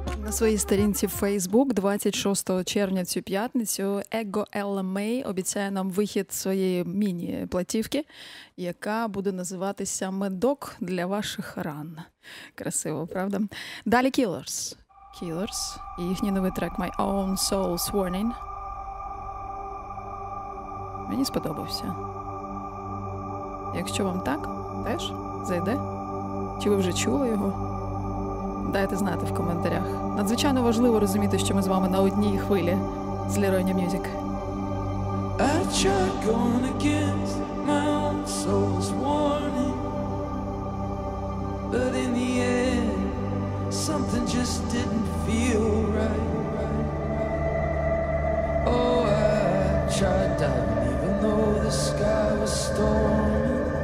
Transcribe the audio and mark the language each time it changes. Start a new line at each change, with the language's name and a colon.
Ukrainian: своїй сторінці в Facebook 26 червня цю п'ятницю Ego Ella May обіцяє нам вихід своєї міні-платівки, яка буде називатися «Медок для ваших ран». Красиво, правда? Далі Killers. Killers і їхній новий трек «My Own Soul's Warning». Мені сподобався. Якщо вам так, теж зайде. Чи ви вже чули його? Дайте знати в коментарях. Надзвичайно важливо розуміти, що ми з вами на одній хвилі з Leroy Music.
English: I tried going against my own soul's warning, but in the end, something just didn't feel right. Oh, I tried diving even though the sky was storming.